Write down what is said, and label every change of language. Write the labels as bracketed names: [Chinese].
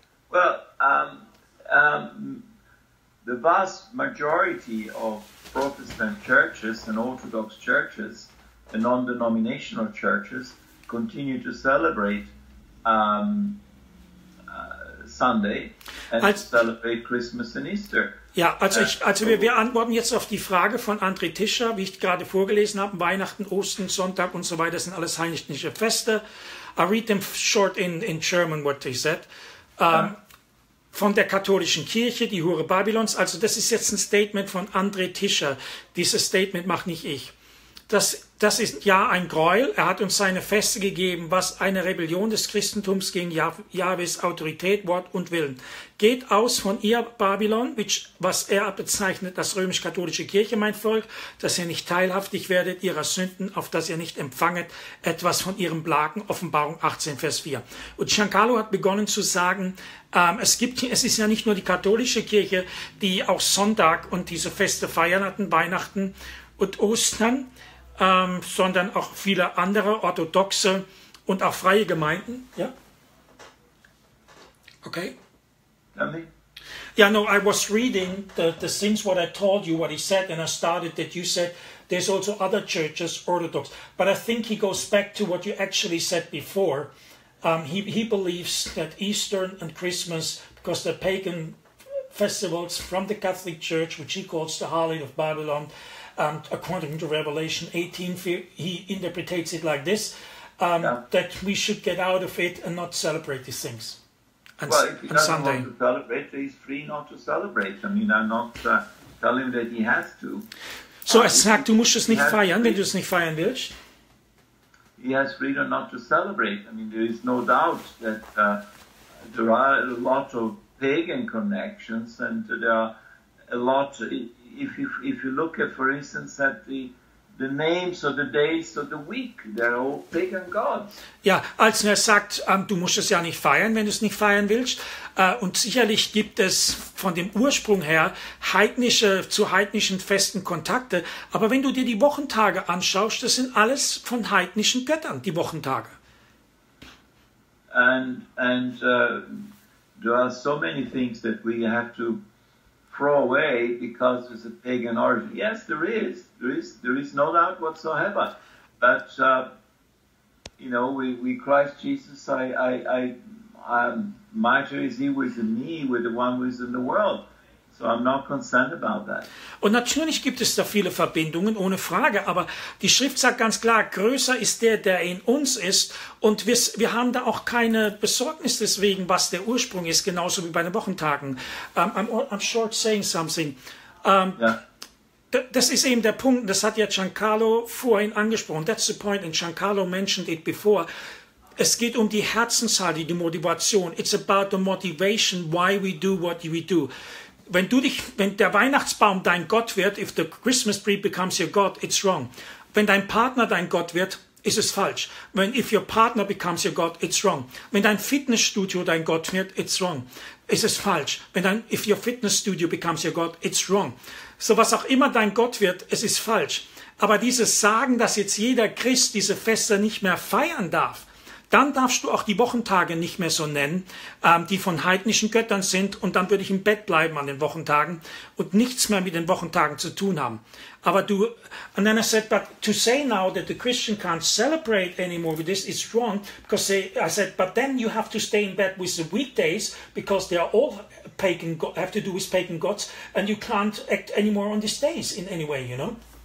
[English] Well, the vast majority of Protestant churches and Orthodox churches and non-denominational churches continue to celebrate Sunday and celebrate Christmas and Easter. [German] Ja, wir antworten jetzt auf die Frage von André Tischer, wie ich gerade vorgelesen habe. Weihnachten, Ostern, Sonntag und so weiter sind alles heidnische Feste. [English] I read them short in German, what they said. [German] Von der katholischen Kirche, die Hure Babylons. Also das ist jetzt ein Statement von André Tischer. Dieses Statement mache nicht ich. Das Das ist ja ein Gräuel. Er hat uns seine Feste gegeben, was eine Rebellion des Christentums gegen Jahwes Autorität, Wort und Willen. Geht aus von ihr, Babylon, was er bezeichnet, das römisch-katholische Kirche, mein Volk, dass ihr nicht teilhaftig werdet ihrer Sünden, auf dass ihr nicht empfanget etwas von ihrem Plagen, Offenbarung 18, Vers 4. Und Giancarlo hat begonnen zu sagen, es ist ja nicht nur die katholische Kirche, die auch Sonntag und diese Feste feiern hatten, Weihnachten und Ostern, sondern auch viele andere orthodoxe und auch freie Gemeinden. Ja? Okay. [English] Yeah, no, I was reading the things what I told you, what he said, and I started that you said there's also other churches, orthodox. But I think he goes back to what you actually said before. He believes that Easter and Christmas, because the pagan festivals from the Catholic Church, which he calls the Harlot of Babylon, according to Revelation 18, he interprets it like this, that we should get out of it and not celebrate these things. And if he doesn't want to celebrate, he's free not to celebrate. I mean, I'm not telling him that he has to. [German] So er sagt, du musst es nicht feiern, wenn du es nicht feiern willst. [English] He has freedom not to celebrate. I mean, there is no doubt that there are a lot of pagan connections, and there are a lot. If you look at, for instance, at the names of the days of the week, they're all pagan gods. [German] Ja, als er sagt, du musst es ja nicht feiern, wenn du es nicht feiern willst. Und sicherlich gibt es von dem Ursprung her heidnischen Festen Kontakte. Aber wenn du dir die Wochentage anschaust, das sind alles von heidnischen Göttern, die Wochentage. [English] And there are so many things that we have to throw away because it's a pagan origin. Yes, there is. There is no doubt whatsoever. But you know, we Christ Jesus, I'm mightier is he within me, with the one who is in the world. So I'm not concerned about that. [German] Und natürlich gibt es da viele Verbindungen, ohne Frage. Aber die Schrift sagt ganz klar, größer ist der, der in uns ist. Und wir haben da auch keine Besorgnis deswegen, was der Ursprung ist, genauso wie bei den Wochentagen. [English] I'm short saying something. [German] Das ist eben der Punkt, das hat ja Giancarlo vorhin angesprochen. [English] That's the point, and Giancarlo mentioned it before. [German] Es geht um die Herzenshaltung, die Motivation. [English] It's about the motivation, why we do what we do. [German] Wenn der Weihnachtsbaum dein Gott wird, [English] if the Christmas tree becomes your God, it's wrong. [German] Wenn dein Partner dein Gott wird, ist es falsch. [English] When if your partner becomes your God, it's wrong. [German] Wenn dein Fitnessstudio dein Gott wird, [English] it's wrong. [German] Ist es falsch. [English] If your Fitnessstudio becomes your God, it's wrong. [German] So was auch immer dein Gott wird, es ist falsch. Aber dieses Sagen, dass jetzt jeder Christ diese Feste nicht mehr feiern darf, dann darfst du auch die Wochentage nicht mehr so nennen, die von heidnischen Göttern sind, und dann würde ich im Bett bleiben an den Wochentagen und nichts mehr mit den Wochentagen zu tun haben. Aber du, [English] and then I said, but to say now that the Christian can't celebrate anymore with this is wrong, because I said, but then you have to stay in bed with the weekdays, because they are all pagan, have to do with pagan gods, and you can't act anymore on these days in any way, you know?